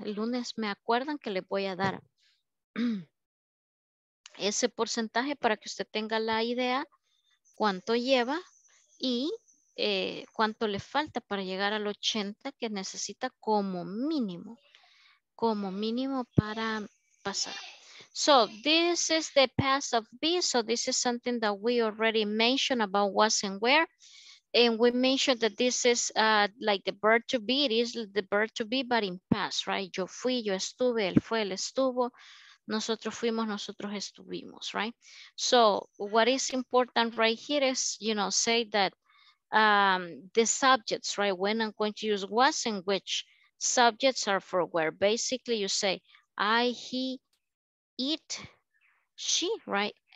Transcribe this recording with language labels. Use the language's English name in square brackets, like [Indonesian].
[Spanish] El lunes me acuerdan que le voy a dar ese porcentaje para que usted tenga la idea cuánto lleva y cuánto le falta para llegar al 80 que necesita como mínimo para pasar. [English] So this is the path of B. So this is something that we already mentioned about what's and where. And we mentioned that this is like the verb to be. It is the verb to be, but in past, right? [Spanish] Yo fui, yo estuve, él fue, él estuvo. Nosotros fuimos, nosotros estuvimos, right? [English] So what is important right here is, you know, say that the subjects, right? When I'm going to use was and which subjects are for where. Basically you say, I, he, it, she, right?